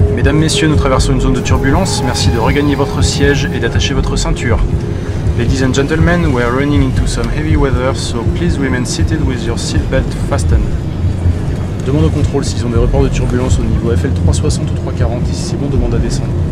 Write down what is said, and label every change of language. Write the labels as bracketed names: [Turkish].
[French] Messieurs, nous traversons une zone de turbulence. Merci de regagner votre siège et d'attacher votre ceinture. [English] Ladies and gentlemen, we are running into some heavy weather, so please remain seated with your seatbelt fastened. [French] Demande au contrôle s'ils ont des reports de turbulence au niveau FL 360 ou 340. Si c'est bon, demande à descendre.